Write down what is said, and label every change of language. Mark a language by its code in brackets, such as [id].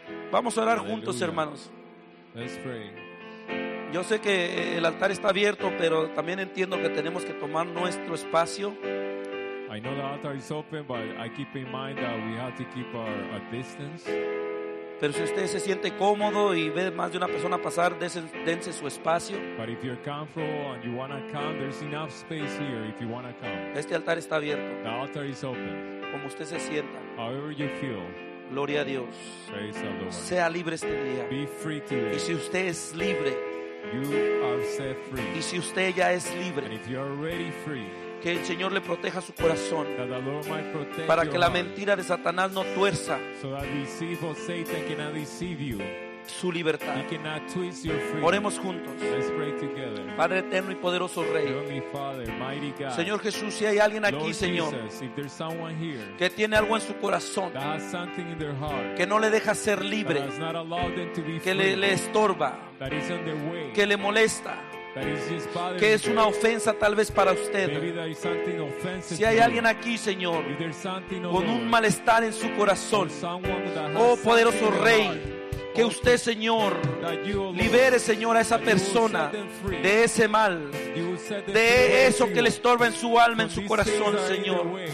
[es] Vamos a orar juntos, hermanos. Yo sé que el altar está abierto, pero también entiendo que tenemos que tomar nuestro espacio. [en] I know the altar is open, but I keep in mind that we have to keep our distance. [es] Pero si usted se siente cómodo y ve más de una persona pasar, dense su espacio. [en] But if you're comfortable and you want to come, there's enough space here if you want to come. [es] Este altar está abierto. [en] The altar is open. [es] Como usted se sienta. [en] However you feel. [es] Gloria a Dios. [en] Praise the Lord. [es] Sea libre este día. [en] Be free today. [es] Y si usted es libre. [en] You are set free. [es] Y si usted ya es libre. [en] And if you're already free. [es] Que el Señor le proteja su corazón. [en] That the Lord might protect [es] para que la mentira de Satanás no tuerza. [en] So that deceitful Satan cannot deceive you. [es] Su libertad. [en] He cannot twist your freedom. [es] Oremos juntos. [en] Let's pray together. [es] Padre eterno y poderoso Rey. [en] Heavenly Father, mighty God. [es] Señor Jesús, si hay alguien aquí, Señor, [en] if there's someone here, [es] que tiene algo en su corazón, [en] that has something in their heart, [es] que no le deja ser libre, [en] that has not allowed them to be free, [es] que le estorba, [en] that is in their way, [es] que le molesta, que es una ofensa tal vez para usted. Si hay alguien aquí, Señor, con un malestar en su corazón, oh poderoso Rey, que usted, Señor, libere, Señor, a esa persona de ese mal, de eso que le estorba en su alma, en su corazón, Señor.